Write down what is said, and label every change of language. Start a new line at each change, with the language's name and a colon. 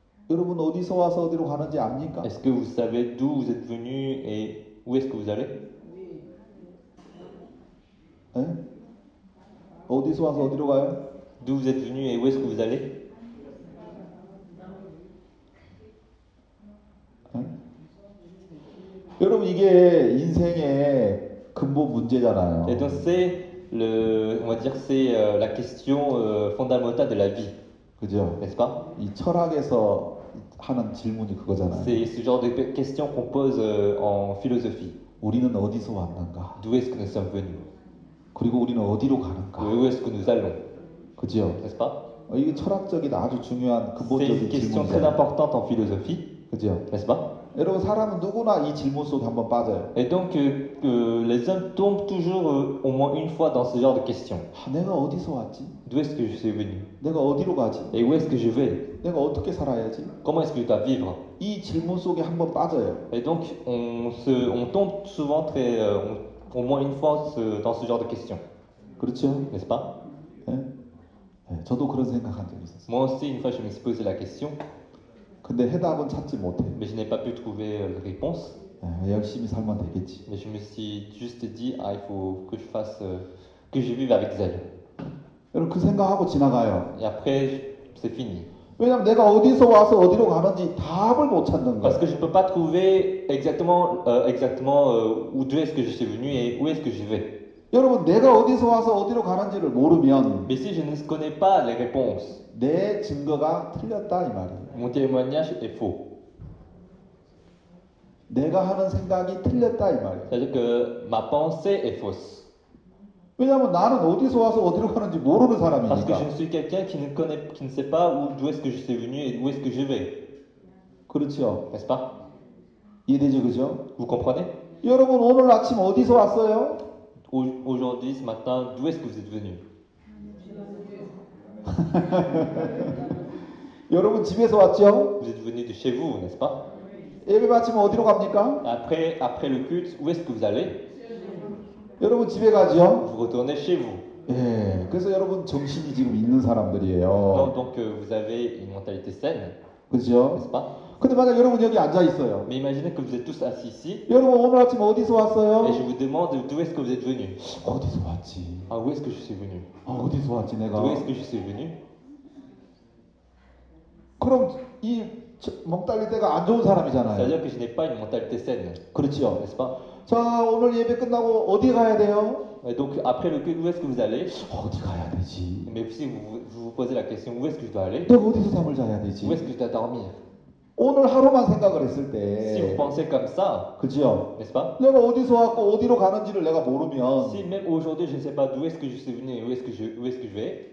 Korean: 여러분 어디서 와서 어디로 가는지 압니까?
French: Est-ce que vous savez d'où vous êtes venu et où est-ce que vous allez?
Korean: 예? 어디서 와서 어디로 가요?
French: D'où vous êtes venu et où est-ce que vous allez?
Korean: 여러분 이게 인생의 근본 문제잖아요.
French: Et donc c'est le on va dire c'est la question fondamentale de la vie.
Korean: 그죠?
French: N'est-ce pas?
Korean: 이 철학에서 하는 질문이 그거잖아요.
French: C'est ce genre de question qu'on pose en philosophie.
Korean: 우리는 어디서 왔는가?
French: D'où est-ce que nous sommes venus?
Korean: 그리고 우리는 어디로 가는가?
French: Où est-ce que nous allons?
Korean: 그죠?
French: N'est-ce pas?
Korean: 이게 철학적인 아주 중요한 근본적인 질문이에요.
French: C'est une question très importante en philosophie.
Korean: 그죠?
French: N'est-ce pas?
Korean: 여러분 사람은 누구나 이 질문 속에 한번 빠져요.
French: Et donc les hommes tombent toujours au moins une fois dans ce genre de question.
Korean: 아, 내가 어디서 왔지?
French: D'où est-ce que je suis venu?
Korean: 내가 어디로 가지?
French: Et où est-ce que je vais?
Korean: 내가 어떻게 살아야지?
French: Comment est-ce que je dois vivre?
Korean: 이 질문 속에 한번 빠져요.
French: Et donc on tombe souvent au moins une fois dans ce genre de question.
Korean: 그렇죠?
French: N'est-ce pas?
Korean: 네. 네, 저도 그런 생각 한 적 있었어요.
French: Moi aussi une fois je me suis posé la question.
Korean: 근데 해답은 찾지 못해.
French: Mais je n'ai pas pu trouver la réponse.
Korean: 아, 열심히 살면 되겠지.
French: Mais je me suis juste dit, il faut que je fasse, que je vive avec zèle.
Korean: 여러분 그 생각하고 지나가요.
French: Et après, c'est fini.
Korean: 왜냐면 내가 어디서 와서 어디로 가는지 답을 못 찾는 거야.
French: Parce que je ne peux pas trouver exactement d'où est-ce que je suis venu et où est-ce que je vais.
Korean: 여러분 내가 어디서 와서 어디로 가는지를 모르면
French: Mais si je ne connais pas les réponses.
Korean: 내 증거가 틀렸다 이 말이에요.
French: Mon témoignage est faux.
Korean: 내가 하는 생각이 틀렸다 이 말이에요.
French: C'est-à-dire que ma pensée est fausse.
Korean: 왜냐면 나는 어디서 와서 어디로 가는지 모르는 사람이니까.
French: Parce que je suis quelqu'un qui ne sait pas d'où est-ce que je suis venu et où est-ce que je vais.
Korean: 그렇죠.
French: N'est-ce pas?
Korean: 이해되죠, 그죠?
French: Vous comprenez?
Korean: 여러분 오늘 아침 어디서 왔어요?
French: Aujourd'hui, ce matin, d'où est-ce que vous êtes venu?
Korean: 여러분 집에서 왔죠?
French: Vous êtes venu de chez vous, n'est-ce pas?
Korean: 예배 마치면 어디로 갑니까?
French: Après le culte, où est-ce que vous allez?
Korean: 여러분 집에 가죠?
French: Vous retournez chez vous.
Korean: 예, 그래서 여러분 정신이 지금 있는 사람들이에요.
French: Donc vous avez une mentalité saine.
Korean: 그죠?
French: N'est-ce pas?
Korean: 근데 만약 여러분 여기 앉아 있어요.
French: Mais imaginez que vous êtes tous assis ici.
Korean: 여러분 오늘 아침 어디서 왔어요?
French: Et je vous demande d'où est-ce que vous êtes venu.
Korean: 어디서 왔지?
French: Ah, où est-ce que je suis venu?
Korean: 아, 어디서 왔지 내가?
French: D'où est-ce que je suis venu?
Korean: 그럼 이 멍달리대가 안 좋은 사람이잖아요.
French: C'est-à-dire que je n'ai pas une mentalité saine.
Korean: 그렇죠.
French: N'est-ce pas?
Korean: 자, 오늘 예배 끝나고 어디 가야 돼요?
French: Et donc après le culte, où est-ce que vous allez?
Korean: 어디 가야 되지?
French: Mais si vous vous posez la question, où est-ce que je dois aller?
Korean: 내가 어디서 잠을 자야 되지?
French: Où est-ce que je dois dormir?
Korean: 오늘 하루만 생각을 했을
French: Si vous pensez comme ça,
Korean: 그죠?
French: n'est-ce pas?
Korean: 내가 어디서 왔고 어디로 가는지를 내가 모르면,
French: Si même aujourd'hui je ne sais pas d'où est-ce que je suis venu, où est-ce que je vais,